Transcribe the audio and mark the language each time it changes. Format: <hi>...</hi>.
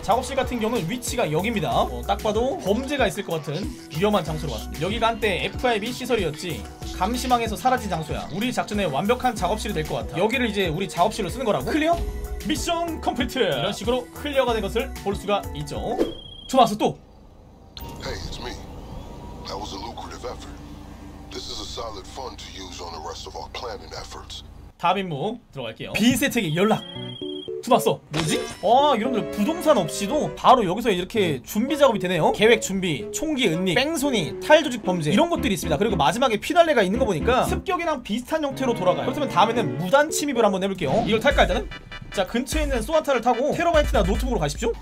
<ko>작업실 같은 경우는 위치가 여기입니다. 어, 딱 봐도 범죄가 있을 것 같은 위험한 장소로 왔습니다. 여기가 한때 FIB 시설이었지. 감시망에서 사라진 장소야. 우리 작전에 완벽한 작업실이 될 것 같아. 여기를 이제 우리 작업실로 쓰는 거라고? 클리어? 미션 컴플리트! 이런 식으로 클리어가 된 것을 볼 수가 있죠. 또 왔어 또!</ko> <en>Hey, it's me. That was a lucrative effort. This is a solid fund to use on the rest of our planning efforts.</en> <ko>다음 임무 들어갈게요. 빈세책의 연락! 투마소 뭐지? 와 여러분들 부동산 없이도 바로 여기서 이렇게 준비 작업이 되네요. 계획 준비, 총기 은닉, 뺑소니, 탈조직 범죄 이런 것들이 있습니다. 그리고 마지막에 피날레가 있는 거 보니까 습격이랑 비슷한 형태로 돌아가요. 그렇다면 다음에는 무단 침입을 한번 해볼게요. 이걸 탈까 일단은? 자 근처에 있는 소나타를 타고 테라바이트나 노트북으로 가십시오.</ko>